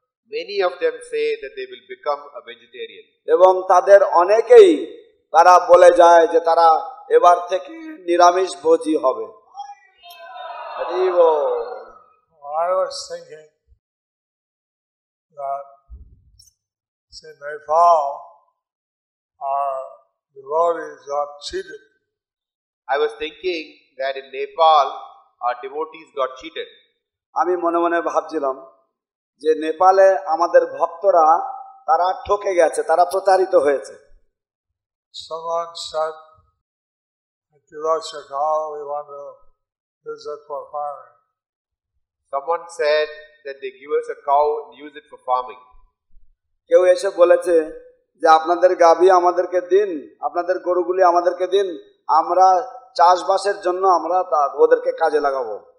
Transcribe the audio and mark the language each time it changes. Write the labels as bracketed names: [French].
[English] Many of them say that they will become a vegetarian. [Bangla] এবং তাদের অনেকেই তারা বলে যায় যে তারা এবার থেকে নিরামিষ ভোজী হবে আমি মনে মনে ভাবছিলাম যে নেপালে আমাদের ভক্তরা তারা ঠকে গেছে তারা প্রতারিত হয়েছে [English] Someone said, if you lost your cow, we want to use it for farming. Someone said that they give us a cow and use it for farming. [Bangla] কেউ এসে বলেছে যে আপনাদের গাভী আমাদেরকে দিন আপনাদের গরুগুলি আমাদেরকে দিন আমরা চাষবাসের জন্য আমরা তা ওদেরকে কাজে লাগাবো